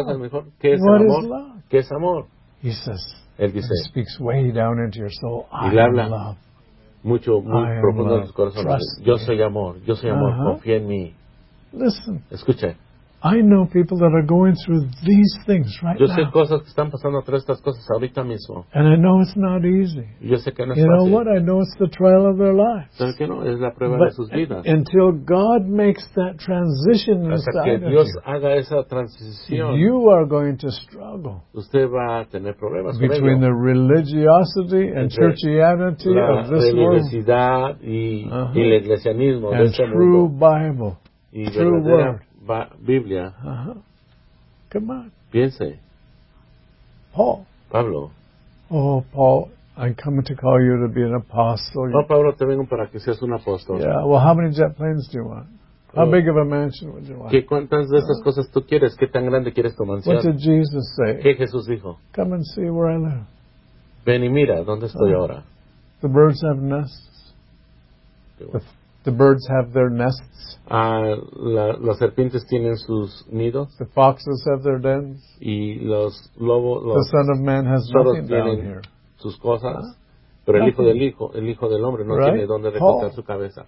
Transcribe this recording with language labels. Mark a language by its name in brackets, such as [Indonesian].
[English] What is love? [Spanish] ¿Qué es amor? [English] He says, [Spanish] él dice, [English] and he speaks way down into your soul, I am love. [Spanish] Mucho, muy profundo en tus corazones. Yo soy amor. Yo soy amor. Confía en mí. [English] Listen. [Spanish] Escucha. [English] I know people that are going through these things right now. [Spanish] Yo sé cosas que están pasando por estas cosas ahorita mismo. [English] And I know it's not easy. [Spanish] Yo sé que no es fácil. [English] You know what? I know it's the trial of their lives. [Spanish] ¿Sabes qué no? Es la prueba de sus vidas. [English] Until God makes that transition inside of you. [Spanish] Hasta que Dios haga esa transición. [English] You are going to struggle. [Spanish] Usted va a tener problemas. [English] Between the religiosity and churchianity of this world. [Spanish] La religiosidad y el iglesianismo. [English] And true Bible. True word. [Spanish] Biblia. [English] Come on. [Spanish] Piense. [English] Paul. [Spanish] Pablo. [English] Oh, Paul, I'm coming to call you to be an apostle. [Spanish] No, Pablo, te vengo para que seas un apóstol. [English] Yeah, well, how many jet planes do you want? How big of a mansion would you want? [Spanish] ¿Qué cuántas de esas cosas tú quieres? ¿Qué tan grande quieres tu mansión? [English] What did Jesus say? [Spanish] ¿Qué Jesús dijo? [English] Come and see where I live. [Spanish] Ven y mira, ¿dónde estoy ahora? [English] The birds have nests. The birds have their nests. [Spanish] Las serpientes tienen sus nidos. [English] The foxes have their dens. [Spanish] Y los lobos. [English] The son of man has nothing down here. [Spanish] Sus cosas, pero el hijo del hombre no tiene dónde recostar su cabeza.